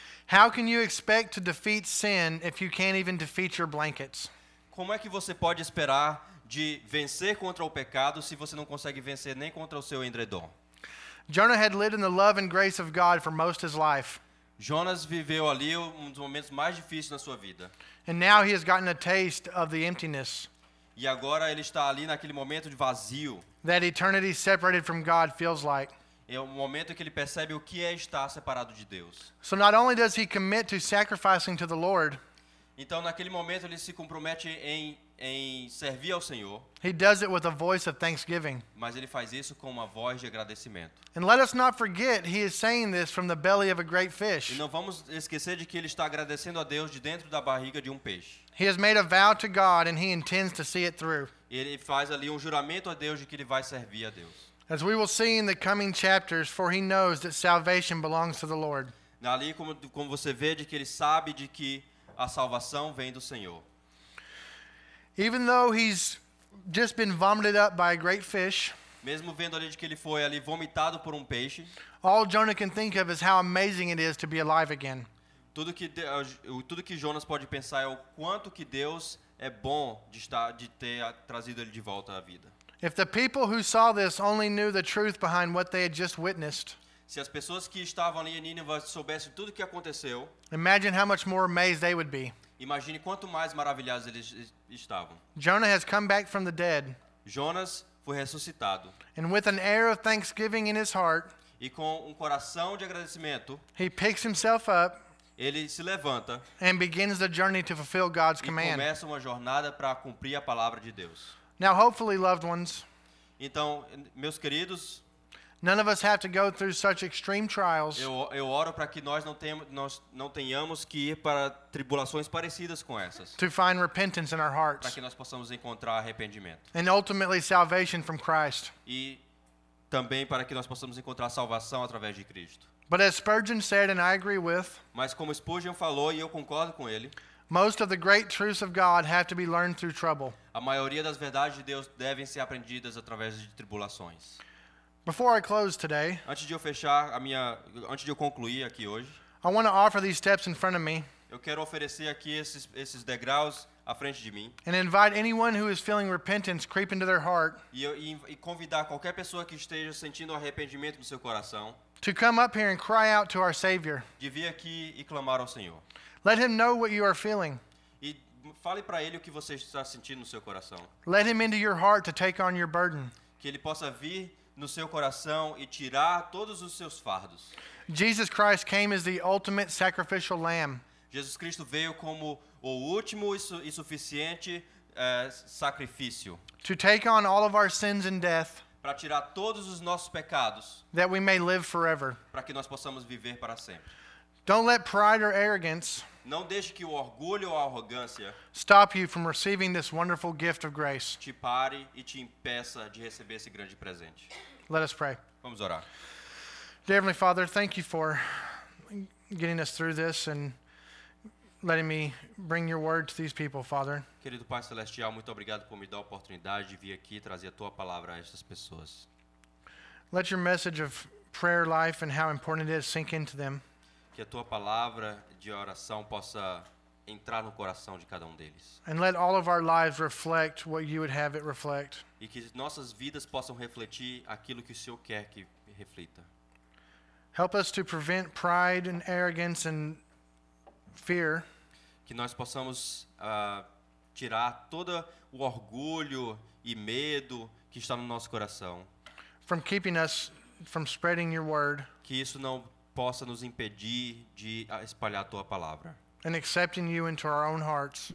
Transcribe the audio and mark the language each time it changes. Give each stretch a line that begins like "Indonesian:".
English: How can you expect to defeat sin if you can't even defeat your blankets?
Portuguese: Como é que você pode esperar de vencer contra o pecado se você não consegue vencer nem contra o seu edredom?
English: Jonah had lived in the love and grace of God for most of his life.
Portuguese: Jonas viveu ali um dos momentos mais difíceis na sua vida.
English: And now he has gotten a taste of the emptiness.
Portuguese: E agora ele está ali naquele momento de vazio.
English: That eternity separated from God feels like.
Portuguese: É o momento que ele percebe o que é estar separado de Deus.
English: So not only does he commit to sacrificing to the Lord.
Portuguese: Então naquele momento ele se compromete em servir ao Senhor.
English: He does it with a voice of thanksgiving.
Portuguese: Mas ele faz isso com uma voz de agradecimento.
English: And let us not forget he is saying this from the belly of a great fish.
Portuguese: E não vamos esquecer de que ele está agradecendo a Deus de dentro da barriga de um peixe.
English: He has made a vow to God and he intends to see it through.
Portuguese: Ele faz ali um juramento a Deus de que ele vai servir a Deus.
English: As we will see in the coming chapters, for he knows that salvation belongs to the Lord.
Portuguese: Ali, como você vê, de que ele sabe de que a salvação vem do Senhor.
English: Even though he's just been vomited up by a great fish,
Portuguese: mesmo vendo ali de que ele foi ali vomitado por um peixe,
English: all Jonah can think of is how amazing it is to be alive again.
Portuguese: Tudo que Jonas pode pensar é o quanto que Deus é bom de ter trazido ele de volta à vida.
English: If the people who saw this only knew the truth behind what they had just witnessed.
Portuguese: Se as pessoas que estavam ali em Nínive soubessem tudo o que aconteceu.
English: Imagine how much more amazed they would be.
Portuguese: Imagine quanto mais maravilhados eles estavam.
English: Jonah has come back from the dead.
Portuguese: Jonas foi ressuscitado.
English: And with an air of thanksgiving in his heart.
Portuguese: E com um coração de agradecimento.
English: He picks himself up.
Portuguese: Ele se levanta.
English: And begins the journey to fulfill God's command.
Portuguese: E começa uma jornada para cumprir a palavra de Deus.
English: Now, hopefully, loved ones.
Portuguese: Então, meus queridos,
English: none of us have to go through such extreme trials.
Portuguese: Eu oro para que nós não tenhamos que ir para tribulações parecidas com essas.
English: To find repentance in our hearts.
Portuguese: Para que nós possamos encontrar arrependimento.
English: And ultimately, salvation from Christ.
Portuguese: E também para que nós possamos encontrar salvação através de Cristo.
English: But as Spurgeon said, and I agree with.
Portuguese: Mas como Spurgeon falou e eu concordo com ele.
English: Most of the great truths of God have to be learned through trouble.
Portuguese: A maioria das verdades de Deus devem ser aprendidas através de tribulações.
English: Before I close today,
Portuguese: antes de eu concluir aqui hoje,
English: I want to offer these steps in front of me.
Portuguese: Eu quero oferecer aqui esses degraus à frente de mim.
English: And invite anyone who is feeling repentance creep into their heart.
Portuguese: E convidar qualquer pessoa que esteja sentindo arrependimento no seu coração.
English: To come up here and cry out to our Savior.
Portuguese: De vir aqui e clamar ao Senhor.
English: Let him know what you are feeling.
Portuguese: E fale para ele o que você está sentindo no seu coração.
English: Let him into your heart to take on your burden.
Portuguese: Que ele possa vir no seu coração e tirar todos os seus fardos.
English: Jesus Christ came as the ultimate sacrificial lamb.
Portuguese: Jesus Cristo veio como o último e suficiente sacrifício.
English: To take on all of our sins and death.
Portuguese: Para tirar todos os nossos pecados.
English: That we may live forever.
Portuguese: Para que nós possamos viver para sempre.
English: Don't let pride or arrogance
Portuguese: não deixe que o orgulho ou a arrogância
English: stop you from receiving this wonderful gift of grace.
Portuguese: Te pare e te impeça de receber esse grande presente.
English: Let us pray.
Portuguese: Vamos orar.
English: Dear Heavenly Father, thank you for getting us through this and letting me bring your word to these people, Father.
Portuguese: Querido Pai Celestial, muito obrigado por me dar a oportunidade de vir aqui trazer a tua palavra a estas pessoas.
English: Let your message of prayer life and how important it is sink into them.
Portuguese: Que a tua palavra de oração possa entrar no coração de cada deles.
English: And let all of our lives reflect what you would have it reflect.
Portuguese: E que nossas vidas possam refletir aquilo que o Senhor quer que reflita.
English: Help us to prevent pride and arrogance and fear.
Portuguese: Que nós possamos tirar todo o orgulho e medo que está no nosso coração.
English: From keeping us from spreading your word.
Portuguese: Que isso não possa nos impedir de espalhar a tua palavra.
English: And accepting you into our own hearts.